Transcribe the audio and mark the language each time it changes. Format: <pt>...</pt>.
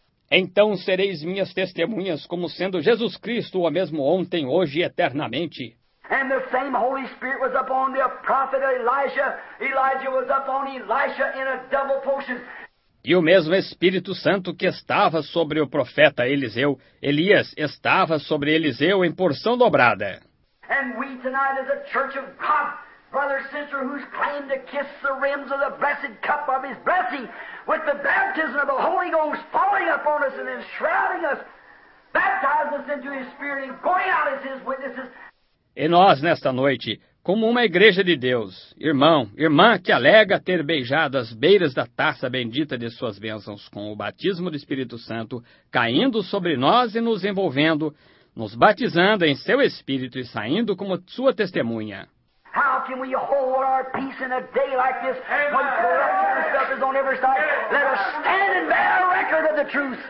<pt>Então sereis minhas testemunhas como sendo Jesus Cristo o mesmo ontem, hoje e eternamente.</pt> <en>And the same Holy Spirit was upon the prophet Elijah. Elijah was upon Elisha in a double portion.</en> <pt>E o mesmo Espírito Santo que estava sobre o profeta Eliseu, Elias, estava sobre Eliseu em porção dobrada.</pt> <en>And we tonight as a church of God, brother, sister, who's claimed to kiss the rims of the blessed cup of his blessing, with the baptism of the Holy Ghost falling upon us and enshrouding us, baptizing us into his Spirit and going out as his witnesses.</en> <pt>E nós, nesta noite, como uma igreja de Deus, irmão, irmã que alega ter beijado as beiras da taça bendita de suas bênçãos com o batismo do Espírito Santo, caindo sobre nós e nos envolvendo, nos batizando em seu Espírito e saindo como sua testemunha.</pt> <en>How can we hold our peace in a day like this when corruption and stuff is on every side? Let us stand and bear a record of the truth.</en>